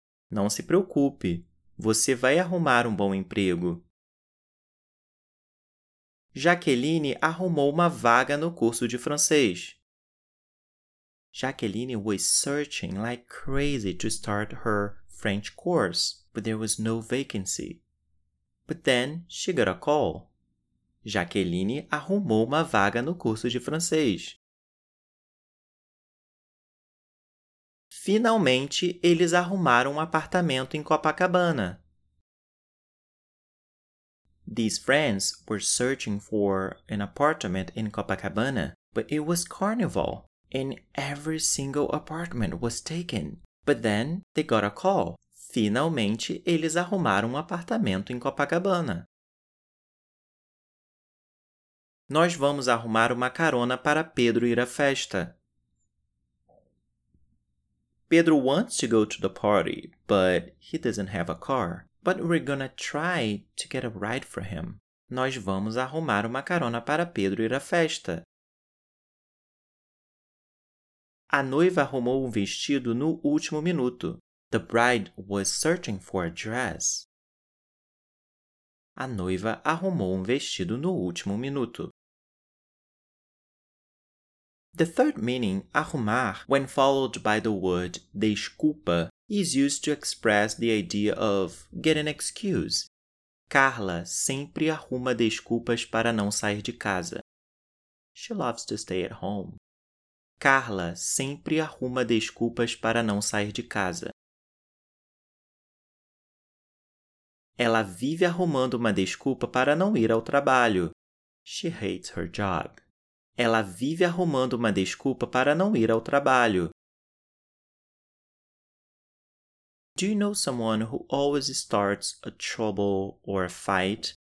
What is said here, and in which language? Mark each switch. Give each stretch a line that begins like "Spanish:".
Portuguese: Não se preocupe, você vai arrumar bom emprego. Jacqueline arrumou uma vaga no curso de francês.
English: Jacqueline was searching like crazy to start her French course, but there was no vacancy. But then, she got a call.
Portuguese: Jacqueline arrumou uma vaga no curso de francês. Finalmente, eles arrumaram um apartamento em Copacabana.
English: These friends were searching for an apartment in Copacabana, but it was carnival, and every single apartment was taken. But then, they got a call.
Portuguese: Finalmente, eles arrumaram um apartamento em Copacabana. Nós vamos arrumar uma carona para Pedro ir à festa.
English: Pedro wants to go to the party, but he doesn't have a car. But we're gonna try to get a ride for him.
Portuguese: Nós vamos arrumar uma carona para Pedro ir à festa. A noiva arrumou vestido no último minuto.
English: The bride was searching for a dress.
Portuguese: A noiva arrumou vestido no último minuto.
English: The third meaning, arrumar, when followed by the word desculpa, is used to express the idea of get an excuse.
Portuguese: Carla sempre arruma desculpas para não sair de casa.
English: She loves to stay at home.
Portuguese: Carla sempre arruma desculpas para não sair de casa. Ela vive arrumando uma desculpa para não ir ao trabalho.
English: She hates her job.
Portuguese: Ela vive arrumando uma desculpa para não ir ao trabalho.
English: Do you know someone who always starts a trouble or a fight?